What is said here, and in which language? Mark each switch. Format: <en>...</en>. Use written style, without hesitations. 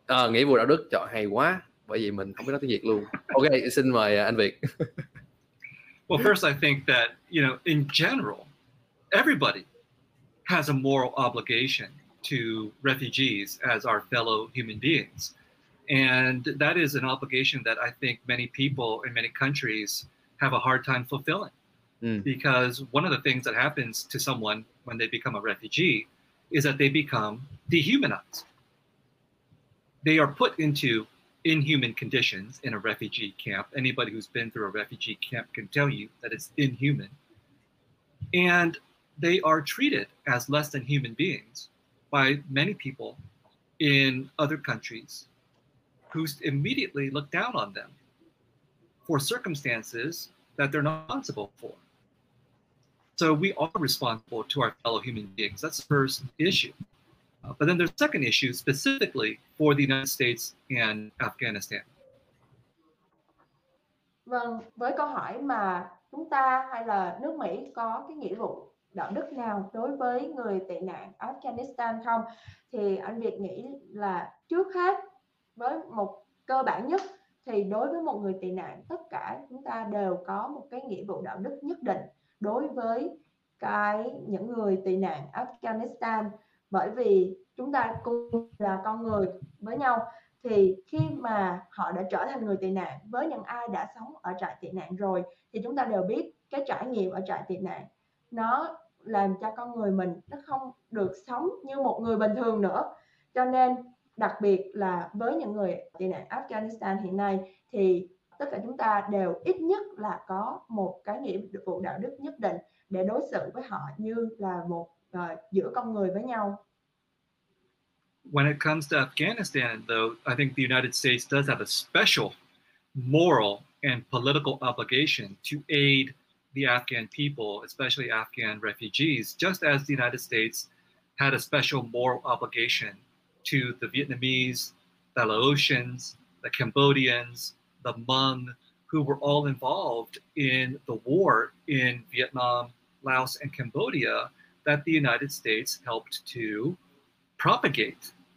<vi>Nghĩa vụ đạo đức, trời hay quá. Bởi vì mình không biết nói tiếng Việt luôn. Okay, xin mời anh Việt.</vi> <en>Well, first I think that, you know, in general, everybody has a moral obligation to refugees as our fellow human beings. And that is an obligation that I think many people in many countries have a hard time fulfilling. Because one of the things that happens to someone when they become a refugee is that they become dehumanized. They are put into inhuman conditions in a refugee camp. Anybody who's been through a refugee camp can tell you that it's inhuman. And they are treated as less than human beings by many people in other countries who immediately look down on them for circumstances that they're not responsible for. So we are responsible to our fellow human beings. That's the first issue. But then there's second issue specifically for the United States and Afghanistan.</en> <vi>Vâng, với câu hỏi mà chúng ta hay là nước Mỹ có cái nghĩa vụ đạo đức nào đối với người tị nạn Afghanistan không, thì anh Việt nghĩ là trước hết, với một cơ bản nhất, thì đối với một người tị nạn, tất cả chúng ta đều có một cái nghĩa vụ đạo đức nhất định đối với cái những người tị nạn Afghanistan, bởi vì chúng ta cùng là con người với nhau. Thì khi mà họ đã trở thành người tị nạn, với những ai đã sống ở trại tị nạn rồi, thì chúng ta đều biết cái trải nghiệm ở trại tị nạn nó làm cho con người mình nó không được sống như một người bình thường nữa. Cho nên đặc biệt là với những người tị nạn Afghanistan hiện nay, thì tất cả chúng ta đều ít nhất là có một cái nghĩa vụ đạo đức nhất định để đối xử với họ như là một giữa con người với nhau.</vi> <en>When it comes to Afghanistan, though, I think the United States does have a special moral and political obligation to aid the Afghan people, especially Afghan refugees, just as the United States had a special moral obligation to the Vietnamese, the Laotians, the Cambodians, the Hmong, who were all involved in the war in Vietnam, Laos, and Cambodia that the United States helped to propagate.</en>